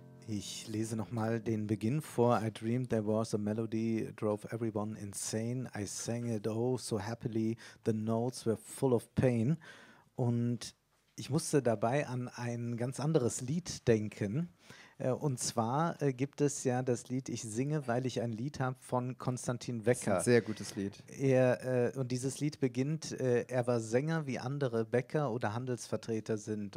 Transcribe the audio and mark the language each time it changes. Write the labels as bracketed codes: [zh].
[de] Ich lese nochmal den Beginn vor. [en] I dreamed there was a melody, drove everyone insane. I sang it oh so happily, the notes were full of pain. [de] Und ich musste dabei an ein ganz anderes Lied denken. Und zwar gibt es ja das Lied Ich singe, weil ich ein Lied habe von Konstantin Wecker. Das ist ein sehr gutes Lied. Und dieses Lied beginnt, er war Sänger wie andere Bäcker oder Handelsvertreter sind.